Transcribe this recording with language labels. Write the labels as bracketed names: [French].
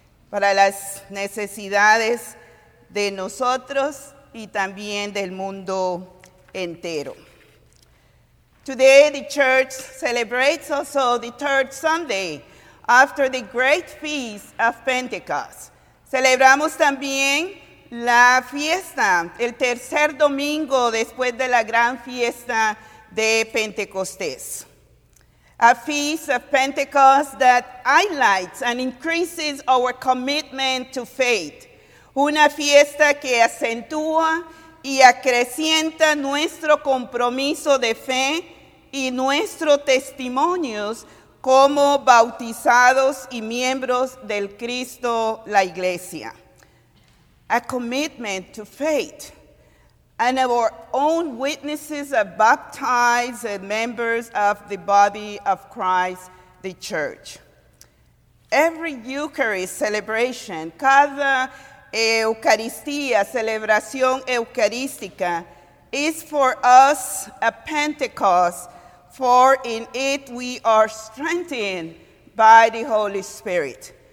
[Spanish] Para las necesidades de nosotros y también del mundo entero. [English] Today the church celebrates also the third Sunday after the great feast of Pentecost. [Spanish] Celebramos también la fiesta, el tercer domingo después de la gran fiesta de Pentecostés. [English] A feast of Pentecost that highlights and increases our commitment to faith. [Spanish] Una fiesta que acentúa y acrecienta nuestro compromiso de fe y nuestros testimonios como bautizados y miembros del Cristo, la Iglesia. [English] A commitment to faith, and our own witnesses are baptized and members of the body of Christ, the Church. Every Eucharist celebration, [Spanish] cada Eucaristía, celebración eucarística, [English] is for us a Pentecost, for in it we are strengthened by the Holy Spirit.